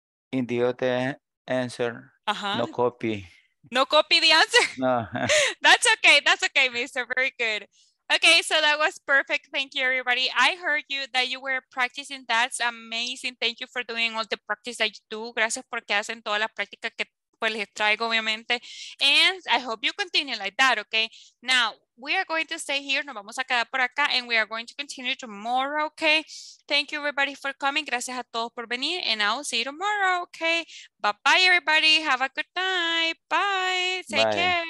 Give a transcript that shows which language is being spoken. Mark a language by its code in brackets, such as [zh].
[en] In the other answer, uh-huh. No copy. No copy the answer? No. That's okay, Mr. Very good. Okay, so that was perfect. Thank you, everybody. I heard you that you were practicing. That's amazing. Thank you for doing all the practice that you do. [es] Gracias porque hacen toda la práctica que pues, les traigo, obviamente. [en] And I hope you continue like that, okay? Now, we are going to stay here. [es] Nos vamos a quedar por acá. [en] And we are going to continue tomorrow, okay? Thank you, everybody, for coming. [es] Gracias a todos por venir. [en] And I will see you tomorrow, okay? Bye-bye, everybody. Have a good night. Bye. Take care.